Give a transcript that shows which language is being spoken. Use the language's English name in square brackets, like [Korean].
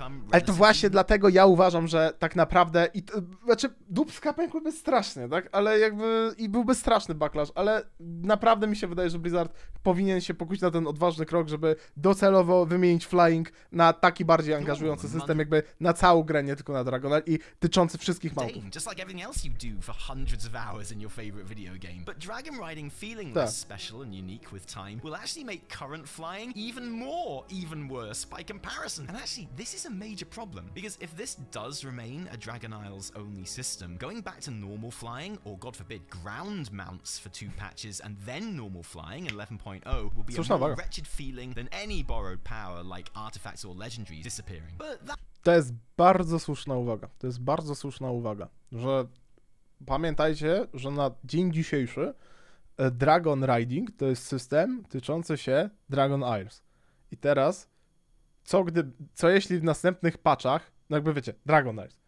[Polish] Ale to właśnie dlatego ja uważam, że tak naprawdę, znaczy dupska pękłyby strasznie, tak? Ale jakby i byłby straszny backlash, ale naprawdę mi się wydaje, że Blizzard powinien się pokusić na ten odważny krok, żeby docelowo wymienić flying na taki bardziej angażujący system, jakby na całą grę, nie tylko na Dragonite i tyczący wszystkich małpów. [English] Just like everything else you do for hundreds of hours in your favorite video game. But dragon riding feeling less special and unique with time will actually make current flying even more, even worse by comparison. And actually, this is a major problem, because if this does remain a Dragon Isle's only system, going back to normal flying, or God forbid, ground mounts for 2 patches and then normal flying in 11.0 will be a more wretched feeling than any borrowed power like artifacts or legendaries disappearing. But that... [Polish] To jest bardzo słuszna uwaga. To jest bardzo słuszna uwaga, że pamiętajcie, że na dzień dzisiejszy Dragon Riding to jest system tyczący się Dragon Isles. I teraz, co jeśli w następnych patchach, no jakby wiecie, Dragonite.